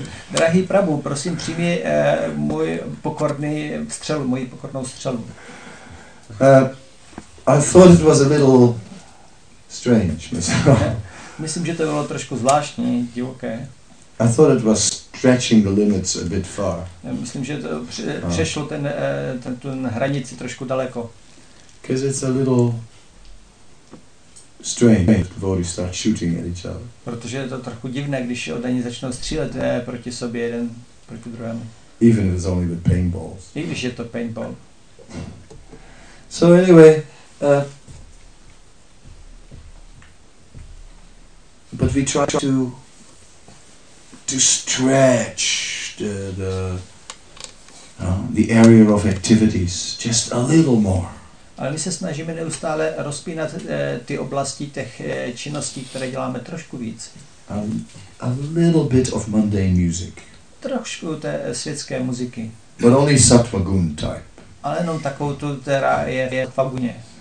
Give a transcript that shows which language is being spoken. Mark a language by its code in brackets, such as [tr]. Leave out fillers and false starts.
[cs] Drahý Prabhu, prosím přijmi můj pokorný střel, moji pokornou střelu. [en] I thought it was a little strange. [cs] Myslím, že to bylo trošku zvláštní, divoké. [en] I thought it was stretching the limits a bit far. [cs] Myslím, že to přešlo ten hranici trošku daleko. [en] Because it's a little strange when devotees start shooting at each other. [cs] Protože je to trochu divné, když oddaní začnou střílet proti sobě jeden proti druhému. [en] Even if it's only with paintballs. [cs] I když je to paintball. [en] So anyway, but we try to stretch the area of activities just a little more. [cs] Ale my se snažíme neustále rozpínat ty oblasti těch činností, které děláme trošku víc. [en] A little bit of mundane music. [cs] Trošku té světské muziky. [en] But only sattva gun type. [cs] Ale jenom takovou tu, která je v Faguně.